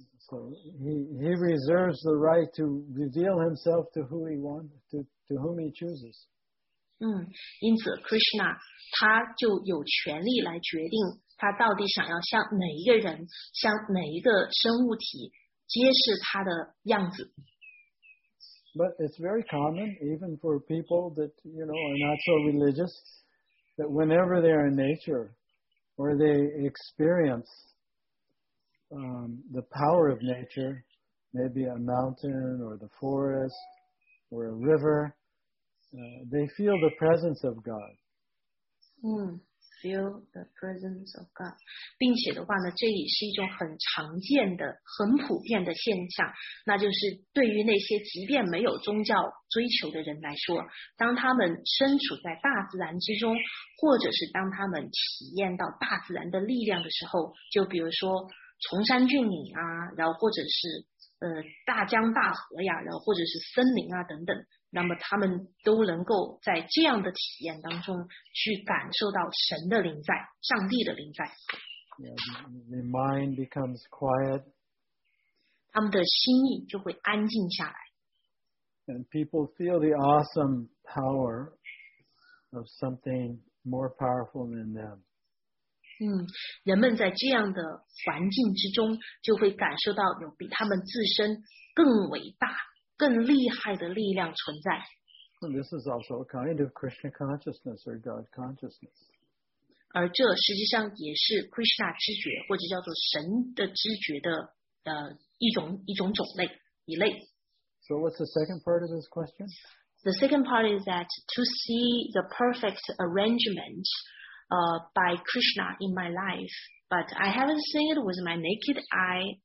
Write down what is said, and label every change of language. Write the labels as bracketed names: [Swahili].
[English] So he reserves the right to reveal himself to who he wants, to whom he chooses. [Chinese] 因此 Krishna 他就有权利来决定他到底想要向哪一个人，向哪一个生物体揭示他的样子。 [English] But it's very common, even for people that, you know, are not so religious,that whenever they are in nature, or they experience the power of nature, maybe a mountain, or the forest, or a river, they feel the presence of God. feel the presence of God. [Chinese] 并且的话呢，这也是一种很常见的、很普遍的现象，那就是对于那些即便没有宗教追求的人来说，当他们身处在大自然之中，或者是当他们体验到大自然的力量的时候，就比如说崇山峻岭啊，然后或者是大江大河呀，然后或者是森林啊等等，那么他们都能够在这样的体验当中去感受到神的临在，上帝的临在。 [English] The mind becomes quiet. [Chinese] 他们的心意就会安静下来。 [English] And people feel the awesome power of something more powerful than them. [Chinese] 人们在这样的环境之中就会感受到有比他们自身更伟大更厉害的力量存在。 [English] And this is also a kind of Krishna consciousness or God consciousness. [Chinese] 而这实际上也是 Krishna 知觉或者叫做神的知觉的一种种类一类。 [English] So what's the second part of this question? The second part is that to see the perfect arrangementby Krishna in my life, but I haven't seen it with my naked eye.